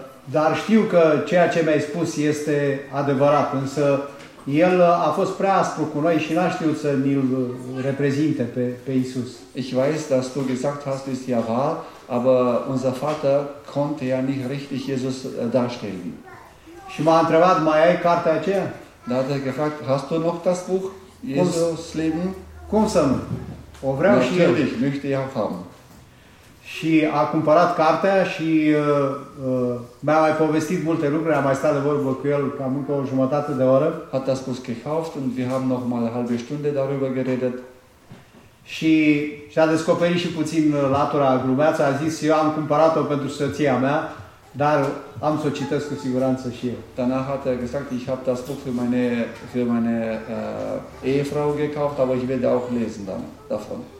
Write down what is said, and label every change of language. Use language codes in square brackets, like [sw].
[ro] Dar știu că ceea ce mi-ai spus este adevărat, însă el a fost prea aspru cu noi și n-a știut să ni-l reprezinte pe Iisus. [de] Ich weiß, dass du gesagt hast, ist ja wahr, aber unser Vater konnte ja nicht richtig Jesus darstellen. [ro] Și m-a întrebat, mai ai cartea aceea? [de] Da, hat er gefragt, hast du noch das Buch Jesus Leben? [ro] Cum să nu? O vreau și eu. [de] Natürlich, möchte ich auch haben. [ro] Și a cumpărat cartea și mi-a mai povestit multe lucruri, am mai stat de vorbă cu el cam încă o jumătate de oră. [de] Hat das Buch gekauft und wir haben noch mal eine halbe Stunde darüber geredet. [ro] Și a descoperit și puțin latura glumeață, a zis, eu am cumpărat-o pentru soția mea, dar am să o citesc cu siguranță și eu. [de] Danach hat er gesagt, ich habe das Buch für meine Ehefrau gekauft, aber ich werde auch lesen dann davon.